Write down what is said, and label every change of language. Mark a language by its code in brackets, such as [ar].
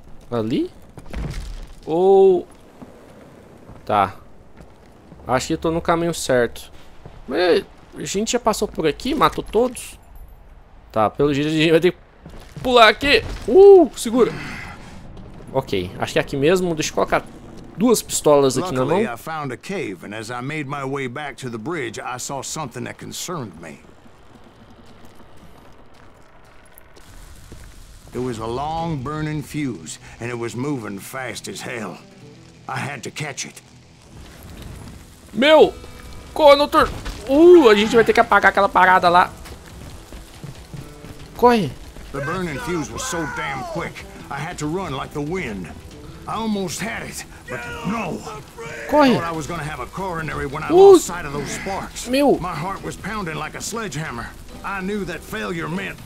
[pt] Ali? Ou... Tá. Acho que eu tô no caminho certo. Mas a gente já passou por aqui, matou todos. Tá, pelo jeito a gente vai ter que pular aqui. Segura. Ok, acho que é aqui mesmo. Deixa eu colocar duas pistolas aqui na mão. [en] Luckily, I found a cave, and as I made my way back to the bridge, I saw something that concerned me. It was a long burning fuse and it was moving fast as hell. I had to catch it. [pt] Meu! Conotor! A gente vai ter que apagar aquela parada lá. Corre! [en] The burning fuse was so damn quick. I had to run like the wind. I almost had it, but no. [pt] Corre! [en] I thought I was gonna have a coronary when I lost sight of those sparks. [pt] Meu! [en] My heart was pounding like a sledgehammer. I knew that failure meant.